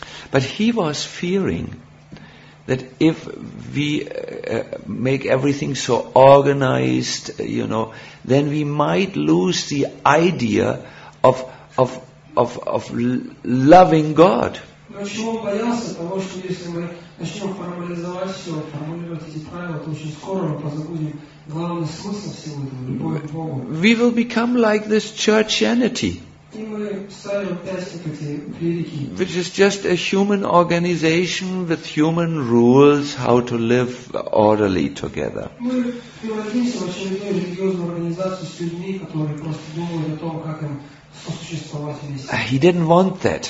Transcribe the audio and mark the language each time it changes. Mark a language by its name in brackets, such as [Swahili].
[English] But he was fearing that if we make everything so organized, you know, then we might lose the idea of loving God. [Russian] Но чего он боялся? Того, что если мы начнем формализовать все, формулировать эти правила, то очень скоро мы позабудем главный смысл всего этого, любовь к Богу. [English] We will become like this churchianity. Which is just a human organization with human rules how to live orderly together. He didn't want that.